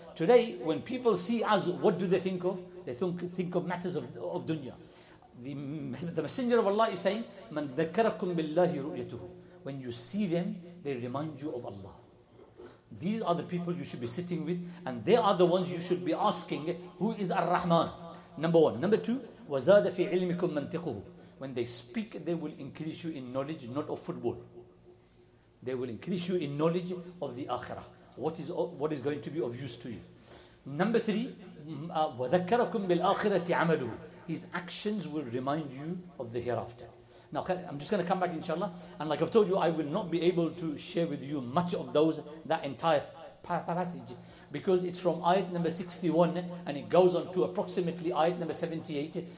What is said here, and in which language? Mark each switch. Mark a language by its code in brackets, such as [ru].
[en] Today, when people see us, what do they think of? They think of matters of dunya. The Messenger of Allah is saying, "Man dhakarakum billahi ru'yatuhu." When you see them, they remind you of Allah. These are the people you should be sitting with, and they are the ones you should be asking, who is Ar-Rahman? Number one. [ar] Number two, وَزَادَ فِي عِلْمِكُمْ مَنْتِقُهُ. [en] When they speak, they will increase you in knowledge, not of football. They will increase you in knowledge of the Akhirah. What is going to be of use to you? [ar] Number three, وَذَكَّرَكُمْ بِالْآخِرَةِ عَمَلُهُ. [en] His actions will remind you of the hereafter. Now, I'm just going to come back, inshallah. And like I've told you, I will not be able to share with you much of those, that entire passage, because it's from ayat number 61, and it goes on to approximately ayat number 78.